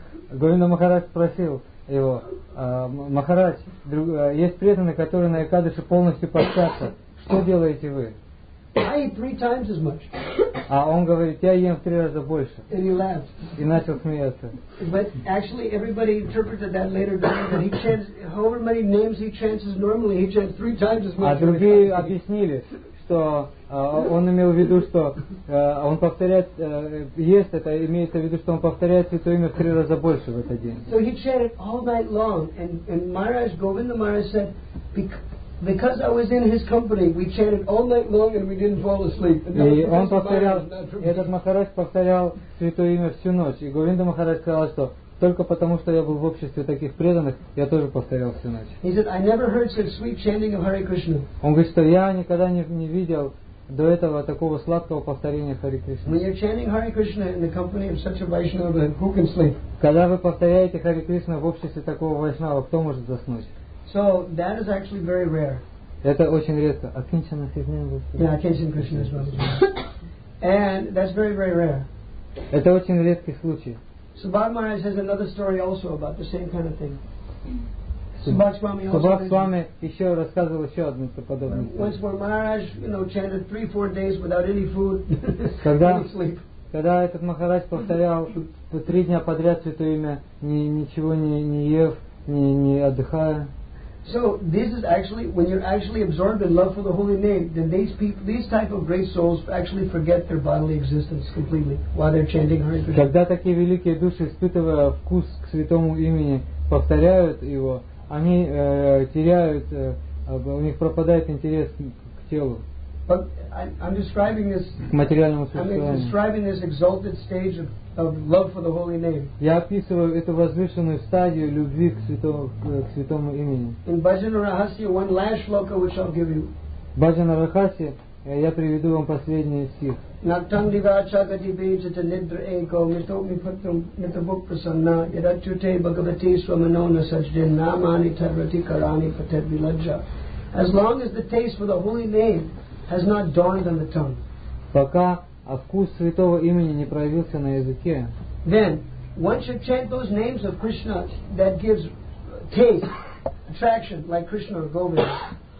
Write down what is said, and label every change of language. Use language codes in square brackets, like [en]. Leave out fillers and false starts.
[ru] Говинда Махарадж спросил его: Махарадж, есть преданные, которые на Экадаши полностью постятся. Что делаете вы? [en] I eat 3 times as much. [ru] А он говорит: я ем в 3 раза больше. [en] And he laughed. [ru] И начал смеяться. [en] But actually, everybody interpreted that later that he chants however many names he chants normally, he chants 3 times as much. [ru] А другие объяснили, что он имел в виду, что он повторяет, есть это, имеется в виду, что он повторяет святое имя в 3 раза больше в этот день. [en] So he chanted all night long, and Maharaj Govinda Maharaj said, because I was in his company, we chanted all night long and we didn't fall asleep. [ru] И он повторял, этот Махарадж повторял святое имя всю ночь. И Говинда Махарадж сказал, что только потому, что я был в обществе таких преданных, я тоже повторял всю ночь. [en] He said, I never heard such sweet chanting of Hare Krishna. [ru] Он говорит, что я никогда не видел до этого такого сладкого повторения Хари Кришны. [en] When you're chanting Hare Krishna in the company of such a Vaishnava, who can sleep? [ru] Когда вы повторяете Хари Кришна в обществе такого Вайшнава, кто может заснуть? [en] So that is actually very rare. [ru] Это очень редко. Акинчана Кришна. Да, Акинчана Кришна. [en] And that's very, very rare. [ru] Это очень редкий случай. [en] Subhak Maharaj has another story also about the same kind of thing. [ru] Subhak Swami еще рассказывал еще одну подобную. [en] Once more, Maharaj, chanted 3-4 days without any food, any sleep. [ru] Когда этот Махарадж повторял 3 дня подряд святое имя, ничего не ев, не отдыхая. [en] So this is actually, when you're actually absorbed in love for the holy name, then these people, these type of great souls actually forget their bodily existence completely while they're chanting Hare Krishna. [ru] Когда такие великие души испытывая вкус к святому имени, повторяют его, они теряют, у них пропадает интерес к телу. [en] But I'm describing this. Exalted stage of love for the holy name. [ru] Я описываю эту возвышенную стадию любви к святому имени. [en] In Bhajana Rahasya, one last shloka which I'll give you. [ru] Bhajana Rahasya, я приведу вам последний стих. [sa] Naktam divachakati bejata nidra eko mitopmi putram mitabuk prasanna yadachute bhagavati swamanona sajjin namani tadvati karani patet vilajja. [en] As long as the taste for the holy name has not dawned on the tongue. [ru] Пока вкус святого имени не проявился на языке. [en] Then, once you chant those names of Krishna that gives taste, attraction, like Krishna or Govinda.